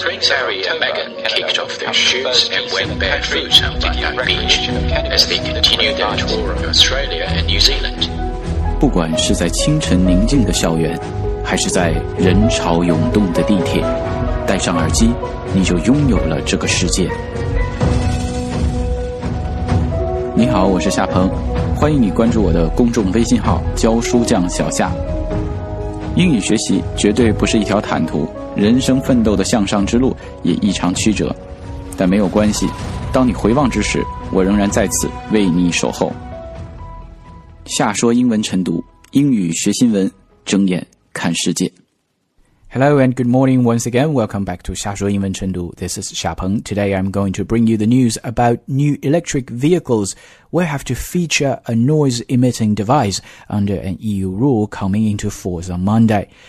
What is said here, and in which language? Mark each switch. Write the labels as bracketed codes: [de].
[en] Prince Harry and Meghan kicked off their shoots and went barefoot on Bundang Beach as they continued their tour of Australia and New Zealand. [zh] 不管是在清晨宁静的校园，还是在人潮涌动的地铁，戴上耳机，你就拥有了这个世界。你好，我是夏鹏，欢迎你关注我的公众微信号教书匠小夏。英语学习绝对不是一条坦途，人生奋斗的向上之路也异常曲折，但没有关系，当你回望之时，我仍然在此为你守候。夏说英文晨读，英语学新闻，睁眼看世界。 [en] Hello and good morning once again. Welcome back to 夏说英文晨读.This is 夏鹏. Today I'm going to bring you the news about new electric vehicles will have to feature a noise-emitting device under an EU rule coming into force on Monday.